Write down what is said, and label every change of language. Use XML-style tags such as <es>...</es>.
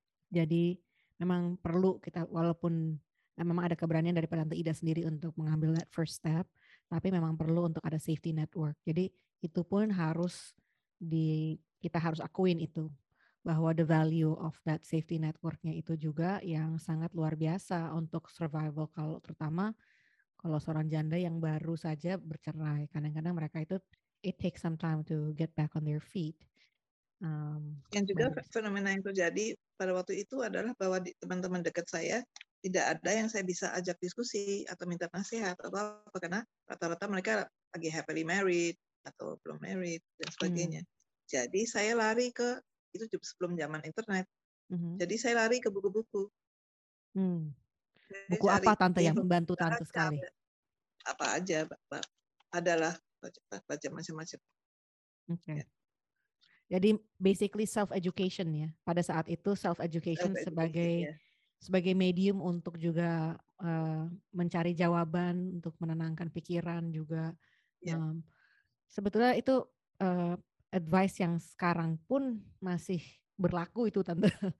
<id>Jadi memang perlu kita, walaupun memang ada keberanian dari Tante Ida sendiri untuk mengambil</id> <en>that first step,</en> <id>tapi memang perlu untuk ada</id> <en>safety network.</en> <id>Jadi itu pun harus kita harus akuin itu, bahwa</id> <en>the value of that safety networknya</en> <id>itu juga yang sangat luar biasa untuk survival, kalau terutama kalau seorang janda yang baru saja bercerai. Kadang-kadang mereka itu</id> <en>it takes some time to get back on their feet.</en> <id>Yang juga fenomena yang terjadi pada waktu itu adalah bahwa teman-teman dekat saya tidak ada yang saya bisa ajak diskusi atau minta nasihat atau apa, karena rata-rata mereka lagi happily married atau belum married dan sebagainya. Jadi saya lari ke itu sebelum zaman internet. Jadi saya lari ke buku-buku. Buku apa tante yang membantu tante sekali? Apa aja, Pak? Adalah baca macam-macam. Jadi basically self-education ya. Pada saat itu self-education sebagai medium untuk juga mencari jawaban, untuk menenangkan pikiran juga. Sebetulnya itu advice yang sekarang pun masih berlaku itu tante.</id>